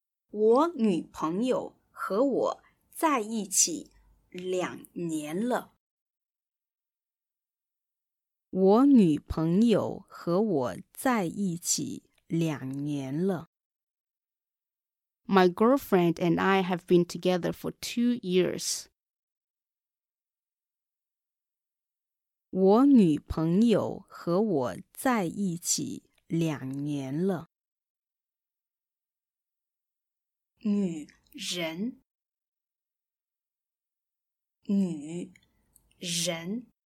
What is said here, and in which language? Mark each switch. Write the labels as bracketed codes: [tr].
[zh] 我女朋友和我在一起两年了。我女朋友和我在一起两年了。 [en] My girlfriend and I have been together for 2 years. [zh] 我女朋友和我在一起两年了。女人，女人